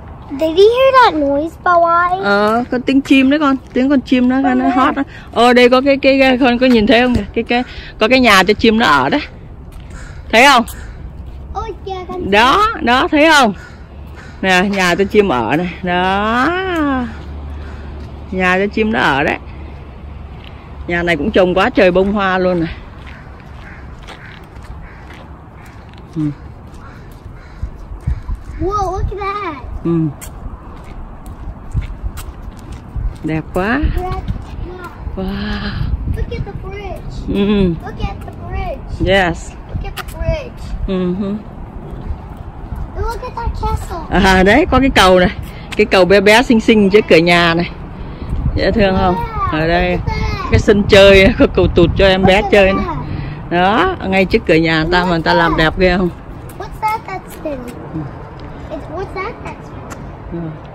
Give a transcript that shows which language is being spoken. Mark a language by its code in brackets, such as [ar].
[en] Did you hear that noise, Kawaii? [vi] Ờ, con tiếng chim đấy con. Tiếng con chim đó, nó hót đó. Ờ, đây có cái con có nhìn thấy không? Cái có cái nhà cho chim nó ở đấy. Thấy không? Đó, đó, thấy không? Nè, nhà cho chim ở này. Đó. Nhà cho chim nó ở đấy. Nhà này cũng trồng quá trời bông hoa luôn này. [en] Whoa, look at that. [vi] Ừ. Đẹp quá. Wow. [en] Look at the bridge. Mm. Look at the bridge. Yes. Look at the bridge. Mm-hmm. Look at that castle. [vi] À đấy, có cái cầu này. Cái cầu bé bé xinh xinh trước cửa nhà này. Dễ thương [en] yeah, [vi] không? Ở đây cái sân chơi có cầu tụt cho em bé chơi này. Đó, ngay trước cửa nhà ta mà ta làm đẹp ghê không? [en] What's that that's spinning? What's that that's spinning?